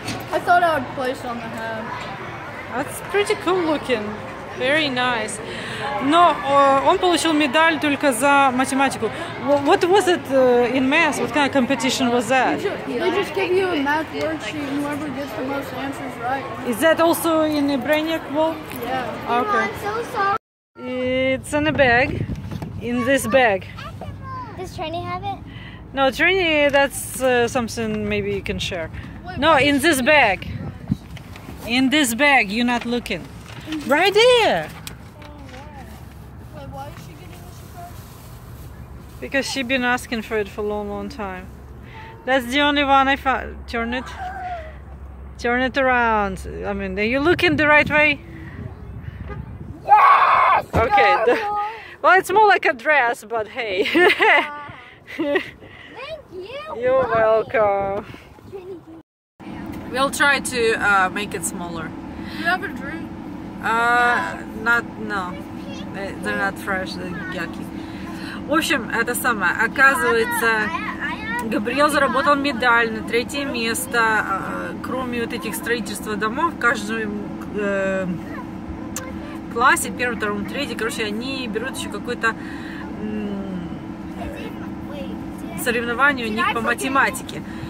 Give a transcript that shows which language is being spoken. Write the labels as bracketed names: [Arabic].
[English] I thought I would place on the hair. That's pretty cool looking. Very nice. [Russian] Но он получил медаль только за математику. [English] What was it in math? What kind of competition was that? They just give you a math worksheet and whoever gets the most answers right. Is that also in the Brainiac wall? Yeah. Okay. I'm so sorry. It's in a bag. In this bag. Does Trini have it? No, Trini, that's something maybe you can share. No, in this bag. In this bag, you're not looking. Right there! Wait, why is she getting this? Because she's been asking for it for a long, long time. That's the only one I found. Turn it. Turn it around. I mean, are you looking the right way? Yes! Okay. No! Well, it's more like a dress, but hey. Yeah. Thank you! You're welcome. We'll try to make it smaller. Do you have a drink? Not, no. They're not fresh, they're yucky. [Russian] В общем, это самое. Оказывается, Габриэл заработал медаль на третье место. Кроме вот этих строительства домов, в каждом классе, первом, втором, третьем, короче, они берут еще какой-то соревнование у них по математике.